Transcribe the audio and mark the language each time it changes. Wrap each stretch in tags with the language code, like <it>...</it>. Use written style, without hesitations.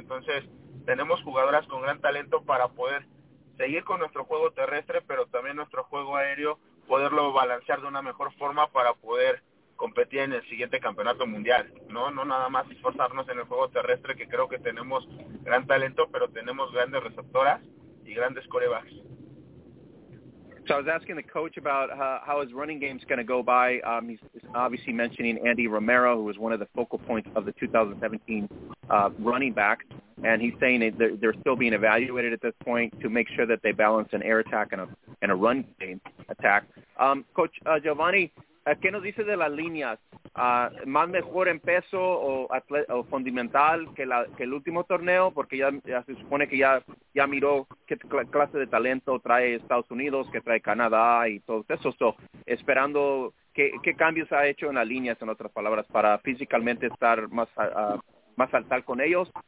<es>Entonces tenemos jugadoras con gran talento para poder seguir con nuestro juego terrestre, pero también nuestro juego aéreo, poderlo balancear de una mejor forma para poder competir en el siguiente campeonato mundial, ¿no? No nada más esforzarnos en el juego terrestre, que creo que tenemos gran talento, pero tenemos grandes receptoras y grandes corebacks.</es> <en>So I was asking the coach about how his running game is going to go by. He's obviously mentioning Andy Romero, who was one of the focal points of the 2017 running back. And he's saying that they're still being evaluated at this point to make sure that they balance an air attack and a run game attack.</en> <es>Coach Giovanni, ¿qué nos dice de las líneas? ¿Más mejor en peso o fundamental que el último torneo? Porque ya se supone que ya miró qué clase de talento trae Estados Unidos, que trae Canadá y todo eso. So, esperando, ¿qué cambios ha hecho en las líneas, en otras palabras, para físicamente estar más al tal con ellos?</es>